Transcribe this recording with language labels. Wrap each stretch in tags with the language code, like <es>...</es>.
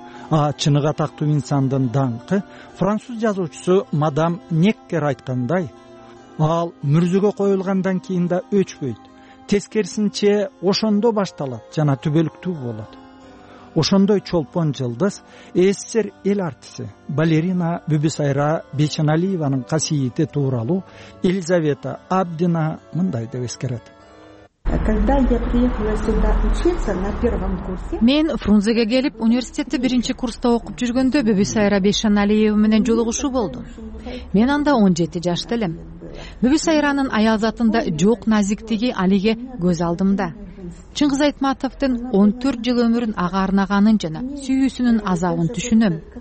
<ky>А чыныгы атактуу инсандын даңкы француз жазуучусу мадам Неккер айткандай, ал мүрзүгө коюлгандан кийин да өчпөйт, тескерисинче ошондо башталат жана түбөлүктүү болот. Ошондой чолпон жылдыз СССР эл артисти балерина Бүбүсайра Бейчиналиеванын касиети тууралуу Елизавета Абдина мындай деп эскерет.</ky> <ru>Когда я приехала сюда учиться на первом курсе.</ru> <ky>Мен Фрунзеге келип, университетти биринчи курста окуп жүргөндө Бүбүсайра Бейшаналиева менен жолугушуу болдум. Мен анда 17 жашта элем. Бүбүсайранын аял затында жок назиктиги алиге көз алдымда. Чыңгыз Айтматовдун 14 жыл өмүрүн ага арнаганын жана сүйүүсүнүн азабын түшүнөм.</ky>